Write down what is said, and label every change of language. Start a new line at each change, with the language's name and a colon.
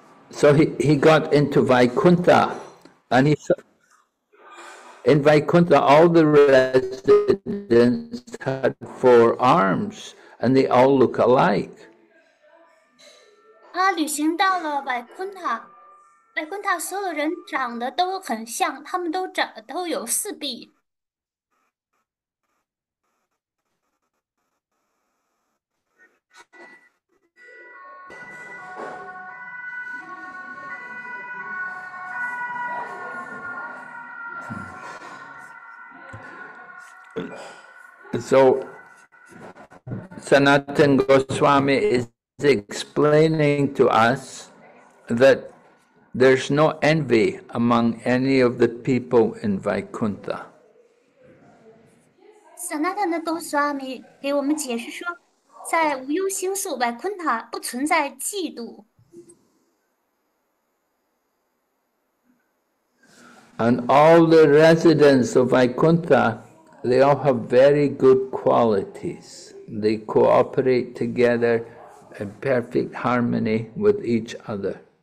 English: So he got into Vaikuntha, and he saw, in Vaikuntha all the residents had four arms, and they all look alike.
Chinese: 他旅行到了百昆塔。白坤塔所有人长得都很像, 他们都长得都有四臂。
English: So, Sanatan Goswami is explaining to us that there's no envy among any of the people in Vaikuntha.
Chinese: Sanatana Goswami 给我们解释说, 在无忧星宿, Vaikuntha 不存在嫉妒。
English: And all the residents of Vaikuntha, they all have very good qualities. They cooperate together in perfect harmony with each other.